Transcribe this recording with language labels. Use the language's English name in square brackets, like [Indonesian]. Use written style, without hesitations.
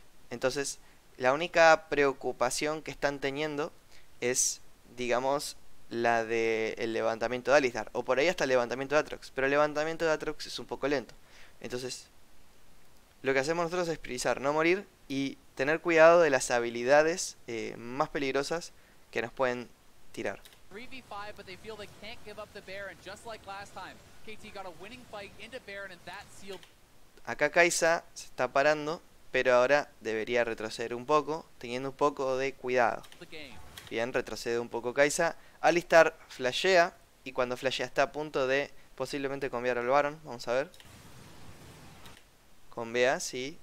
[Spanish] Entonces, la única preocupación que están teniendo es, digamos, la del levantamiento de Alistar. O por ahí hasta el levantamiento de Aatrox. Pero el levantamiento de Aatrox es un poco lento. Entonces, lo que hacemos nosotros es priorizar no morir y tener cuidado de las habilidades más peligrosas que nos pueden tirar. [English] 3v5, but they feel they can't give up the Baron, just like last time. KT got a winning fight into Baron and that sealed. [Spanish] Acá Kai'Sa se está parando, pero ahora debería retroceder un poco, teniendo un poco de cuidado. Bien, retrocede un poco Kai'Sa. Alistar flashea, y cuando flashea está a punto de posiblemente conviar al Baron, vamos a ver. Convea, sí.